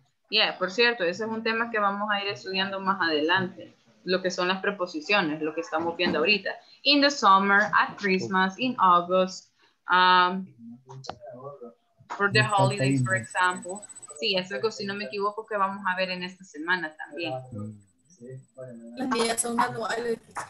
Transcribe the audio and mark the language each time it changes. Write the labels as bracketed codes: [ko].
[es] Yeah, por cierto, ese es un tema que vamos a ir estudiando más adelante, lo que son las preposiciones, lo que estamos viendo ahorita. [en] In the summer, at Christmas, in August, for the holidays, for example. [es] Sí, es algo, si no me equivoco, que vamos a ver en esta semana también.